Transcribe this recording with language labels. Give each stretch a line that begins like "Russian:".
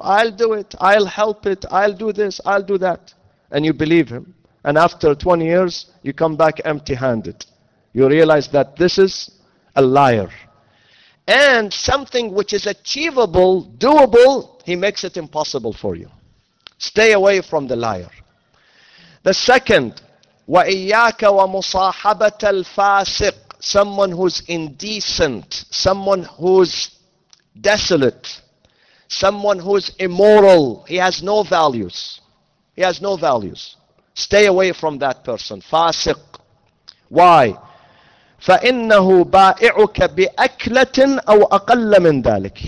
English: I'll do it. I'll help it. I'll do this. I'll do that. And you believe him. And after 20 years, you come back empty-handed. You realize that this is a liar. And something which is achievable, doable, he makes it impossible for you. Stay away from the liar. The second,
Arabic: وَإِيَّاكَ وَمُصَاحَبَةَ الْفَاسِقِ.
English: Someone who's indecent, someone who's desolate, someone who's immoral. He has no values. He has no values. Stay away from that person. Fasiq. Why?
Arabic: فَإِنَّهُ بَائِعُكَ بِأَكْلَةٍ أَوْ أَقَلَّ مِنْ ذَلِكَ.